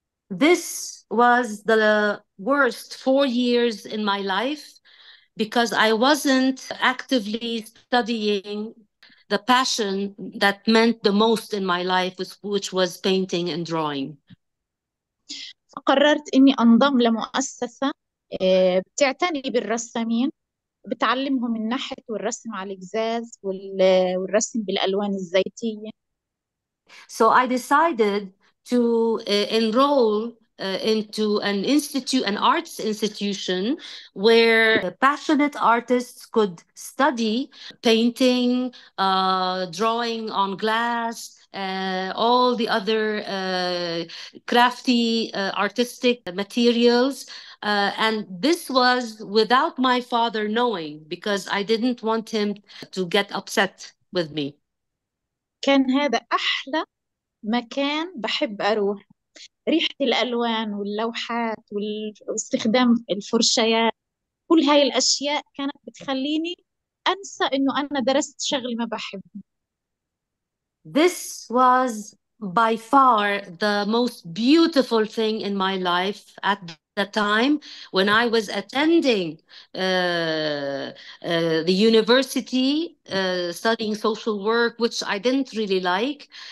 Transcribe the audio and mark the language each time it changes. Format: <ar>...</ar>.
<en>This was the worst 4 years in my life because I wasn't actively studying the passion that meant the most in my life, which was painting and drawing.</en> <ar>فقررت إني أنضم لمؤسسة بتعتني بالرسامين، بتعلمهم النحت والرسم على القزاز والرسم بالألوان الزيتية.</ar> <en>So I decided to enroll into an institute, an arts institution, where passionate artists could study painting, drawing on glass, all the other crafty artistic materials. And this was without my father knowing, because I didn't want him to get upset with me.</en> <ar>كان هذا أحلى مكان بحب أروح، ريحة الألوان واللوحات واستخدام الفرشيات، كل هاي الأشياء كانت بتخليني أنسى إنه أنا درست شغل ما بحبه.</ar> <en>This was by far the most beautiful thing in my life at the time when I was attending the university, studying social work, which I didn't really like.</en>